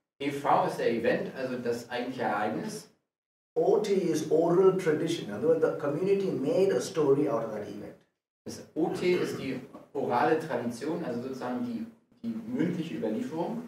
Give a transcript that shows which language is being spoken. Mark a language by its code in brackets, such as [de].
[de] EV ist der Event, also das eigentliche Ereignis. [en] OT is oral tradition. In other words, the community made a story out of that event. [de] Das OT ist die orale Tradition, also sozusagen die mündliche Überlieferung.